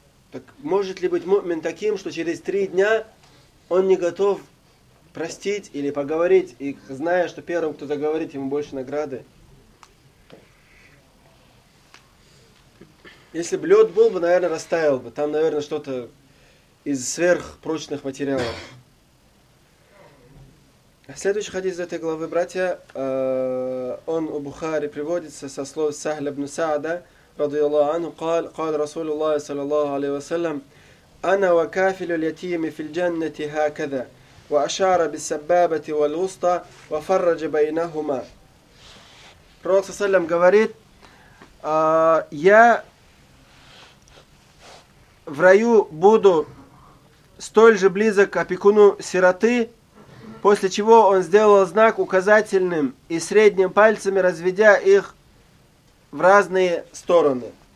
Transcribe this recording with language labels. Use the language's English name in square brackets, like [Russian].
[Russian] Так может ли быть мумин таким, что через 3 дня он не готов простить или поговорить, и зная, что первым, кто заговорит, ему больше награды. Если бы лед был бы, наверное, растаял бы. Там, наверное, что-то из сверхпрочных материалов. Следующий хадис из этой главы, братья, он у Бухари приводится со слов Сахля ибн Саада, радиаллаху анху, [Arabic] قال رسول الله صلى الله عليه وسلم: انا وكافل اليتيم في الجنه هكذا واشار بالسبابه والوسطى وفرج بينهما. [Russian] Пророк саллям говорит: я в раю буду столь же близок к опекуну сироты, после чего он сделал знак указательным и средним пальцами, разведя их в разные стороны.